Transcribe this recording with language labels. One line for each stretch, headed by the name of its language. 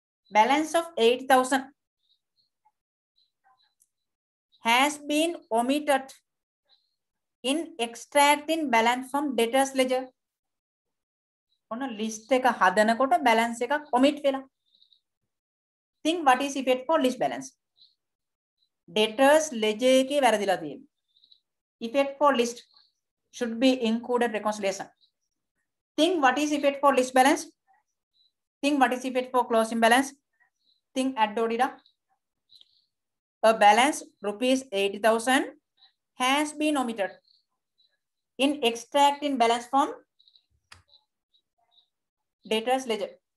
English: Balance of 8,000 has been omitted in extracting balance from debtor's ledger. On a list
Sinhala: එක හදනකොට
English: balance එක omit වෙලා. Think what is effect for list balance.
Sinhala: Debtors ledger එකේ වැරදිලා තියෙනවා.
English: Effect for list should be included reconciliation. Think what is effect for list balance. Think what is effect for closing balance. Think add or deduct. A balance rupees 80,000 has been omitted in extracting balance from debtors ledger.